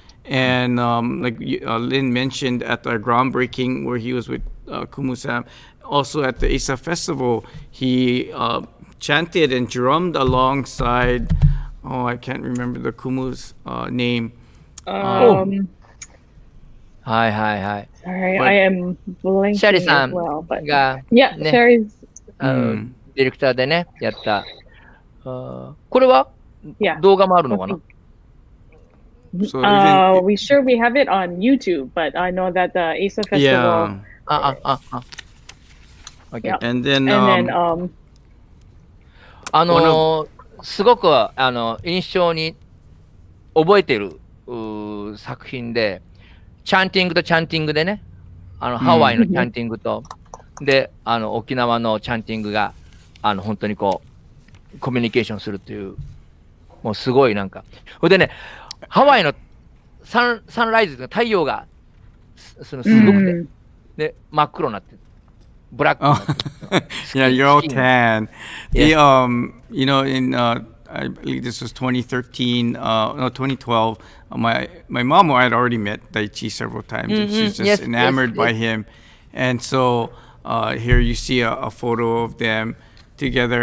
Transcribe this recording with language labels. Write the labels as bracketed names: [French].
[English] And like Lin mentioned at our groundbreaking where he was with Kumu-san, also at the Eisa Festival, he chanted and drummed alongside, oh, I can't remember the Kumu's name. Hi. Sorry, but I am blanking Sherry-san as well. But yeah, ね, Sherry's [Japanese] director でね、やった。これは動画もあるのかな？ [English] We sure we have it on YouTube, but I know that the Eisa Festival. Yeah. Okay. And then, [Japanese] すごく印象に覚えてる作品で。チャンティングとチャンティングでね、ハワイのチャンティングと、で、沖縄のチャンティングが、本当にこう、コミュニケーションするという、もうすごいなんか。ほんでね、ハワイのサンライズ、太陽が、すごくて、で、真っ黒になって、ブラックになって。 [English] Yeah, you're all tan. You know, in, I believe this was 2012, My mom, I had already met Daiichi several times, and she's just enamored by him. And so here you see a photo of them together.